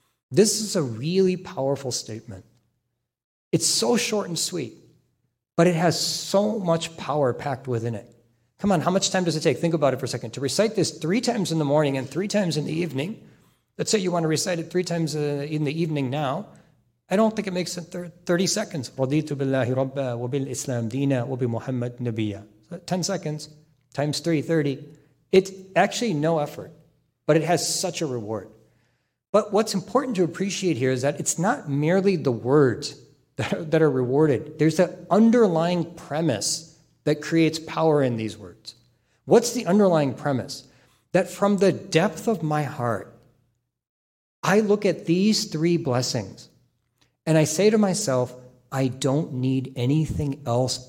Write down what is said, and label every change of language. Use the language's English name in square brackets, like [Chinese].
[English] This is a really powerful statement. It's so short and sweet, but it has so much power packed within it. Come on, how much time does it take? Think about it for a second. To recite this three times in the morning and three times in the evening, let's say you want to recite it three times in the evening now, I don't think it makes 30 seconds. [Arabic] رَضِيتُ بِاللَّهِ رَبَّا وَبِالْإِسْلَامِ دِينَا وَبِمُحَمَّدِ نَبِيَّا [English] 10 seconds times 3, 30. It's actually no effort, but it has such a reward. But what's important to appreciate here is that it's not merely the words that are rewarded. There's an underlying premise that creates power in these words. What's the underlying premise? That from the depth of my heart, I look at these three blessings and I say to myself, I don't need anything else.